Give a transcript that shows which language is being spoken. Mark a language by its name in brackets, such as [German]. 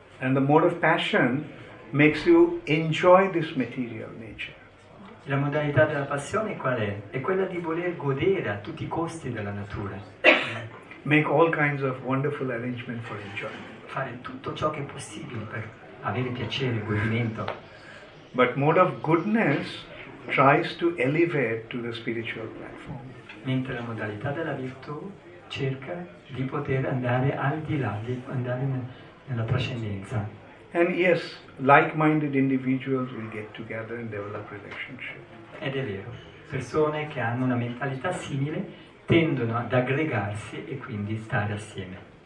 [English] And the mode of passion makes you enjoy this material nature. [Italian] E la modalità della passione qual è? È quella di voler godere a tutti i costi della natura. [English] Make all kinds of wonderful arrangements for enjoyment. [Italian] Fare tutto ciò che è possibile per avere piacere, godimento. [English] But mode of goodness tries to elevate to the spiritual platform. [Italian] Mentre la modalità della virtù cerca di poter andare al di là, di andare nella trascendenza. [English] And yes, like-minded individuals will get together and develop relationship. [Italian] Ed è vero, persone che hanno una mentalità simile tendono ad aggregarsi e quindi stare assieme.